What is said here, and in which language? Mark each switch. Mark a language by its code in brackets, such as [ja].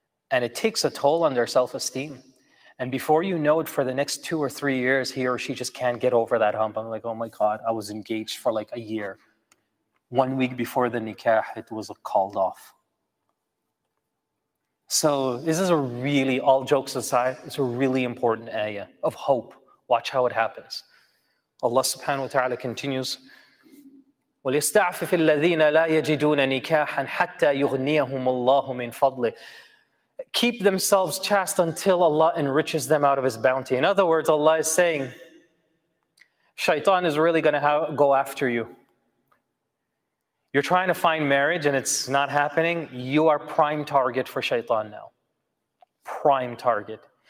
[en] And it takes a toll on their self-esteem. And before you know it, for the next 2 or 3 years, he or she just can't get over that hump. I'm like, oh my God, I was engaged for like a year. 1 week before the nikah, it was called off. So this is a really, all jokes aside, it's a really important ayah of hope. Watch how it happens. Allah subhanahu wa ta'ala continues, [ar] وَلِيَسْتَعْفِفِ الَّذِينَ لَا يَجِدُونَ نِكَاحًا حَتَّى يُغْنِيَهُمُ اللَّهُ مِنْ فَضْلِهِ. [en] Keep themselves chaste until Allah enriches them out of His bounty. In other words, Allah is saying, shaitan is really going to go after you. You're trying to find marriage and it's not happening. You are prime target for shaitan now. prime target.